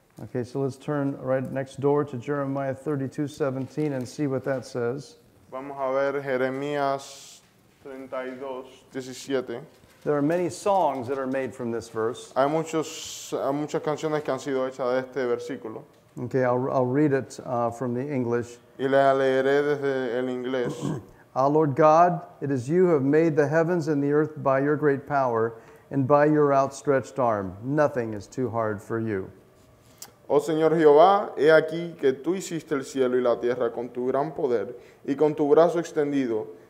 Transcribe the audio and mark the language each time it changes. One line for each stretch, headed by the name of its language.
English: Okay, so let's turn right next door to Jeremiah 32, 17 and see what that says.
Spanish: Vamos a ver Jeremías 32, 17.
English: There are many songs that are made from this verse.
Spanish: Hay muchas canciones que han sido hechas de este versículo.
English: Okay, I'll read it from the English.
Spanish: Y la leeré desde el inglés.
English: Ah, Lord God, it is you who have made the heavens and the earth by your great power and by your outstretched arm. Nothing is too hard for you.
Spanish: Oh, Señor Jehová, he aquí que tú hiciste el cielo y la tierra con tu gran poder y con tu brazo extendido.